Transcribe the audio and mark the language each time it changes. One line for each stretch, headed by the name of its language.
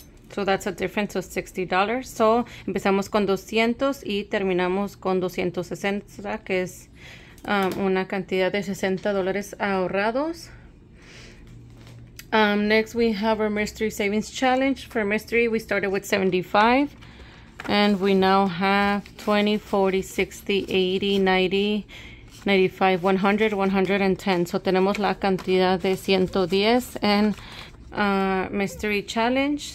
English: So that's a difference of $60.
Spanish: So empezamos con 200 y terminamos con 260, que es una cantidad de $60 ahorrados.
English: Next we have our mystery savings challenge. For mystery, we started with 75 and we now have 20, 40, 60, 80, 90, 95, 100, 110.
Spanish: So tenemos la cantidad de 110 en mystery challenge.